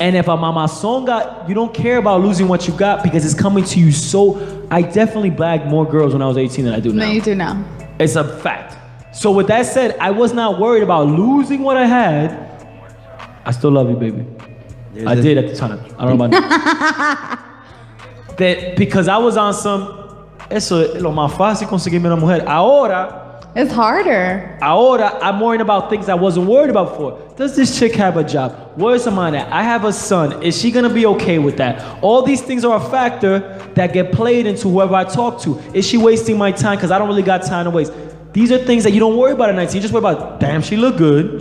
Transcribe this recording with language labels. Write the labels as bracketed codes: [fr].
[en] And if I'm on my songa, you don't care about losing what you got because it's coming to you so... I definitely bagged more girls when I was 18 than I do now. No, you do now. It's a fact. So with that said, I was not worried about losing what I had. I still love you, baby. I did at the time. I don't know about now. That because I was on some... [es] Eso es lo más fácil conseguirme una mujer. Ahora... [en] It's harder. Ahora, I'm worrying about things I wasn't worried about before. Does this chick have a job? Where's her mind at? I have a son. Is she going to be okay with that? All these things are a factor that get played into whoever I talk to. Is she wasting my time? Because I don't really got time to waste. These are things that you don't worry about at 19. You just worry about, damn, she look good.